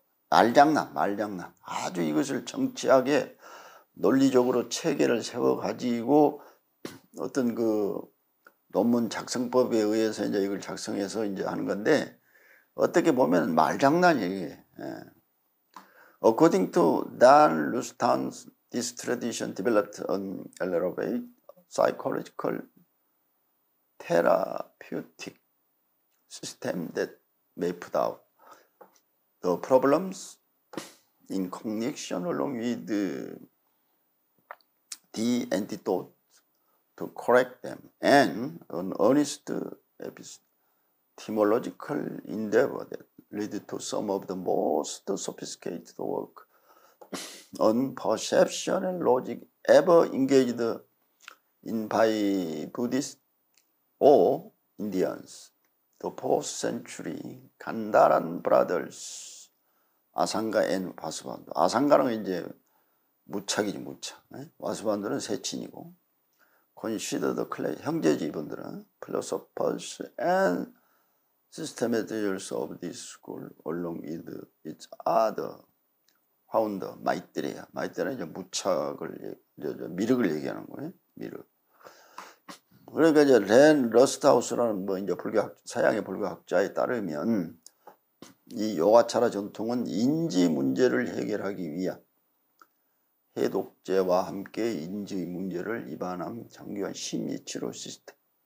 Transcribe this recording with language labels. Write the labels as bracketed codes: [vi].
[ko] 말장난, 말장난. 아주 이것을 정치하게 논리적으로 체계를 세워가지고 어떤 그 논문 작성법에 의해서 이제 이걸 작성해서 이제 하는 건데 어떻게 보면 말장난이에요. [en] According to Dan Rushton's, this tradition developed an elaborate psychological therapeutic system that mapped out the problems in connection along with the antidote to correct them and an honest epistemological endeavor that lead to some of the most sophisticated work on perception and logic ever engaged in by Buddhists or Indians. The fourth century, Gandharan brothers, Asanga and Vasubandhu. [ko] 아상가는 이제 무착이지, 무착. 네? 와스반두는 세친이고. [en] Considered the clay, [ko] 형제지, 이분들은. [en] Philosophers and systematizers of this school, along with its other founder, 마이트레야. [ko] 마이트레는 이제 무착을, 미륵을 얘기하는 거예요. 미륵. 그러니까 이제 렌 러스트하우스라는 뭐 이제 서양의 불교학자에 따르면 이 요가차라 전통은 인지 문제를 해결하기 위한 해독제와 함께 인지 문제를 입안한 정교한 심리치료 시스템.